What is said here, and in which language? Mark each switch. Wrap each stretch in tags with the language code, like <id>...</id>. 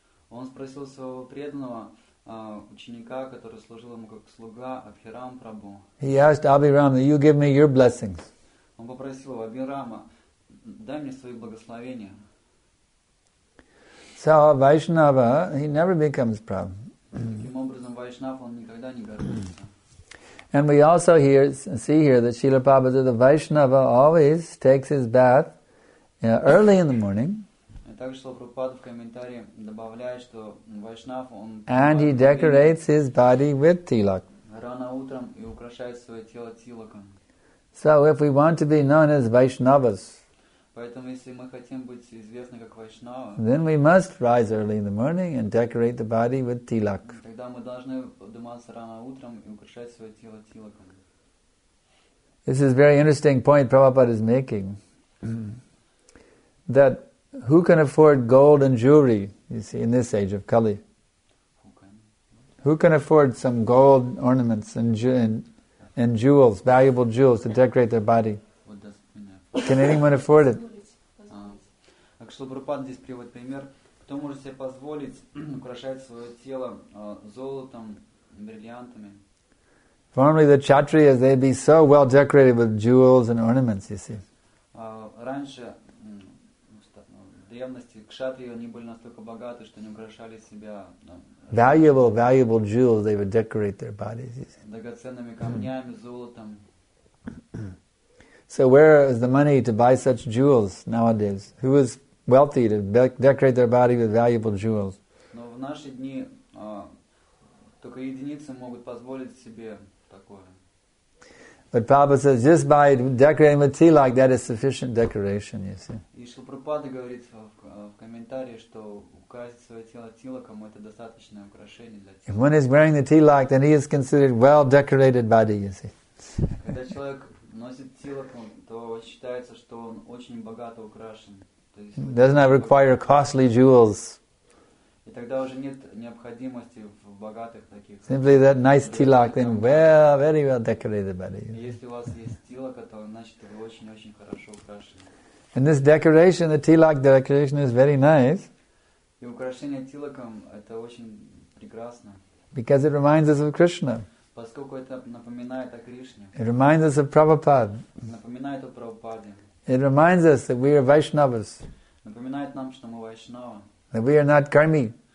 <ru>Он спросил своего преданного ученика, который служил ему как слуга, Абхирам Прабу.</ru> <en>He asked Abhiram, "You give me your blessings."</en> <ru>Он попросил Абхирама, дай мне свои благословения.</ru> <en>So a Vaishnava, he never becomes Prabhu.</en> <ru>Таким образом, Вайшнав, он никогда не гордится.</ru> <en>And we also see here that Srila Prabhupada, the Vaishnava, always takes his bath early in the morning.</en> <ru>Также Шрила Прабхупада в комментарии добавляет, что Вайшнав, он...</ru> <en>And he decorates his body with tilak.</en> <ru>Рано утром и украшает свое тело тилаком.</ru> <en>So if we want to be known as Vaishnavas,</en> <ru>поэтому если мы хотим быть известны как Вайшнава,</ru> <en>then we must rise early in the morning and decorate the body with tilak.</en> <ru>Тогда мы должны подниматься рано утром и украшать свое тело тилаком.</ru> <en>This is a very interesting point Prabhupada is making. That who can afford gold and jewelry, you see, in this age of Kali? Who can afford some gold ornaments and jewels, valuable jewels to decorate their body? Can anyone afford it?</en> <ru>Так что Прабхупада здесь приводит пример. Кто может себе позволить украшать свое тело золотом, бриллиантами?</ru> <en>Formerly the Kshatriyas, they'd be so well decorated with jewels and ornaments, you see.</en> <ru>Раньше, в древности, Кшатрии, они были настолько богаты, что они украшали себя...</ru> <en>Valuable jewels, they would decorate their bodies, you see.</en> <ru>Драгоценными камнями, золотом.</ru> <en>So where is the money to buy such jewels nowadays? Who is wealthy to decorate their body with valuable jewels?</en> <ru>Но в наши дни только единицы могут позволить себе такое.</ru> <en>But Prabhupada says, just by decorating with tea like that is sufficient decoration, you see.</en> <ru>И Шрила Прабхупада говорит в комментарии, что украсить свое тело тилаком — это достаточное украшение для тела.</ru> <en>If one is wearing the tea like, then he is considered well decorated body, you see.</en> <ru>Когда человек носит тилаком, то считается, что он очень богато украшен.</ru> <en>Does not require costly jewels.</en> <ru>И тогда уже нет необходимости в богатых таких.</ru> <en>Simply that nice tilak, then well, very well decorated body.</en> <ru>Если у вас есть тилак, то значит вы очень-очень хорошо украшены.</ru> <en>And this decoration, the tilak decoration, is very nice.</en> <ru>И украшение тилаком — это очень прекрасно.</ru> <en>Because it reminds us of Krishna.</en> <ru>Поскольку это напоминает о Кришне.</ru> <en>It reminds us of Prabhupada.</en> <ru>Напоминает о Прабхупаде.</ru> <en>It reminds us that we are Vaishnavas.</en> <ru>Напоминает нам, что мы Вайшнава.</ru> <en>That we are not karmi.</en>